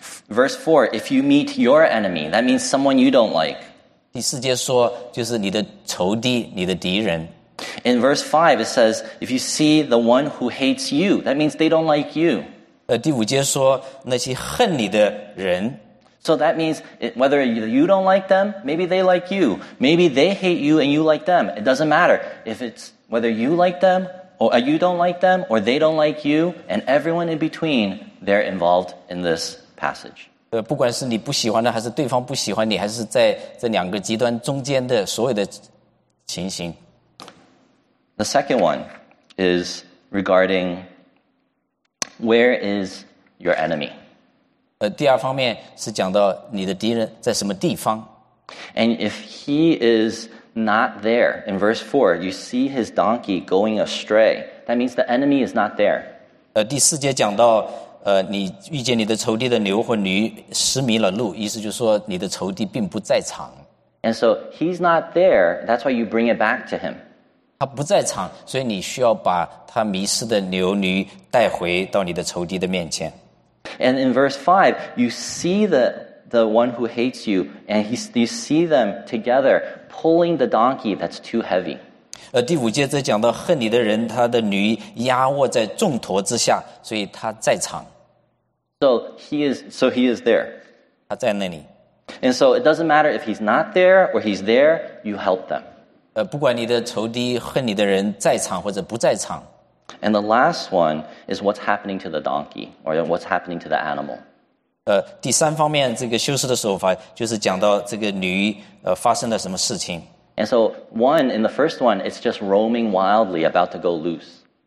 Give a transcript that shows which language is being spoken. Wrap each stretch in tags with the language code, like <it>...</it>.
<en>Verse 4, if you meet your enemy, that means someone you don't like.</en> <zh>第四节说就是你的仇敌，你的敌人。</zh> <en>In verse 5, it says, if you see the one who hates you, that means they don't like you.</en> <zh>第五节说那些恨你的人。</zh> <en>So that means whether you don't like them, maybe they like you. Maybe they hate you and you like them. It doesn't matter if it's whether you like themOr you don't like them, or they don't like you, and everyone in between, they're involved in this passage.</en> <zh>不管是你不喜欢的，还是对方不喜欢你，还是在这两个极端中间的所有的情形。</zh> <en>The second one is regarding where is your enemy?</en> <zh>第二方面是讲到你的敌人在什么地方。</zh> <en>And if he is... Not there. In verse 4, you see his donkey going astray. That means the enemy is not there.</en> <zh>第四节讲到你遇见你的仇敌的牛或驴失迷了路，意思就是说你的仇敌并不在场。</zh> <en>And so he's not there. That's why you bring it back to him.</en> <zh>他不在场，所以你需要把他迷失的牛驴带回到你的仇敌的面前。</zh> <en>And in verse 5, you see the one who hates you, and you see them together. Pulling the donkey that's too heavy.</en> <zh>第五节则讲到恨你的人，他的驴压卧在重驼之下，所以他在场。</zh> <en>So So he is there.</en> <zh>他在那里。</zh> <en>And so it doesn't matter if he's not there or he's there, you help them.</en> <zh>不管你的仇敌恨你的人在场或者不在场。</zh> <en>And the last one is what's happening to the donkey or what's happening to the animal.</en> <zh>第三方面这个修饰的手法就是讲到这个驴发生了什么事情。</zh> <en>And so one, in the first one, it's just roaming wildly, about to go loose.</en>